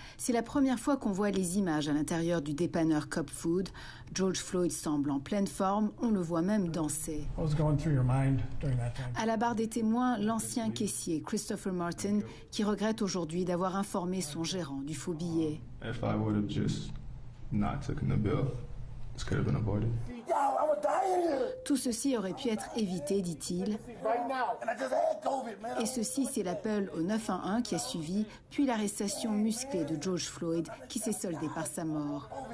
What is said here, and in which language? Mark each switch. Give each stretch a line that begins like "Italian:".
French: C'est la première fois qu'on voit les images à l'intérieur du dépanneur Cub Food. George Floyd semble en pleine forme, on le voit même danser. À la barre des témoins, l'ancien caissier Christopher Martin, qui regrette aujourd'hui d'avoir informé son gérant du faux billet.
English: If I would have just not taken the bill, this could have been avoided.
French: Tout ceci aurait pu être évité, dit-il. Et ceci, c'est l'appel au 911 qui a suivi, puis l'arrestation musclée de George Floyd, qui s'est soldée par sa mort.